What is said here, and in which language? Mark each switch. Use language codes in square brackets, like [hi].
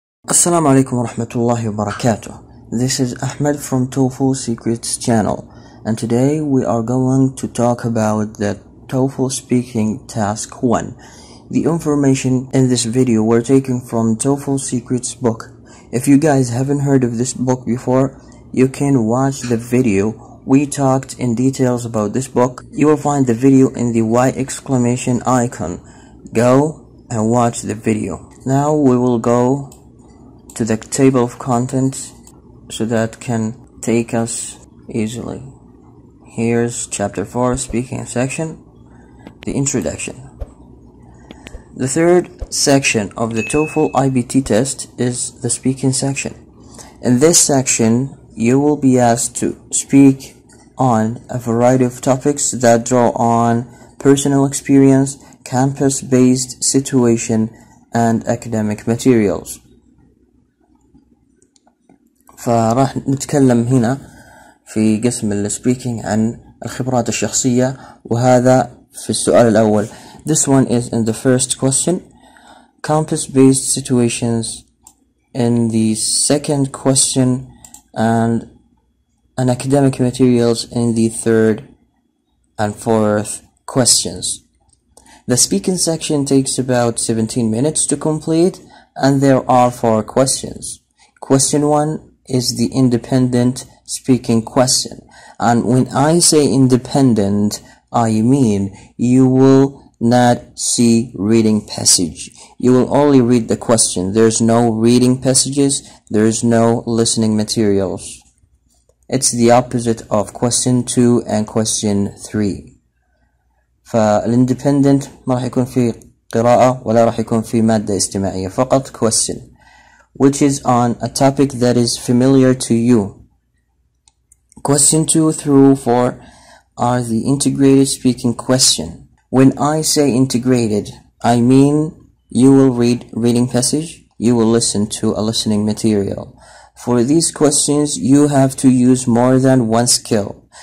[ar] السلام عليكم ورحمة الله وبركاته. [en] This is Ahmed from TOEFL Secrets channel, and today we are going to talk about the TOEFL Speaking Task 1. The information in this video were taken from TOEFL Secrets book. If you guys haven't heard of this book before, you can watch the video. We talked in details about this book. You will find the video in the Y exclamation icon. Go and watch the video. Now we will go to the table of contents so that can take us easily. Here's chapter 4 speaking section, the introduction. The third section of the TOEFL IBT test is the speaking section. In this section, you will be asked to speak on a variety of topics that draw on personal experience, campus-based situation, and academic materials. [ar] فراح نتكلم هنا في قسم السبيكينج عن الخبرات الشخصية وهذا في السؤال الأول. [en] This one is in the first question, campus-based situations. In the second question, and an academic materials in the third and fourth questions. The speaking section takes about 17 minutes to complete, and there are four questions. Question one is the independent speaking question, and when I say independent, I mean you will not see reading passage. You will only read the question. There's no reading passages, there's no listening materials. It's the opposite of question 2 and question 3. [ar] فالindependent ما راح يكون في قراءة ولا راح يكون في مادة استماعية فقط [en] question, which is on a topic that is familiar to you. Question 2 through 4 are the integrated speaking question. When I say integrated, I mean you will read reading passage, you will listen to a listening material. For these questions, you have to use more than one skill.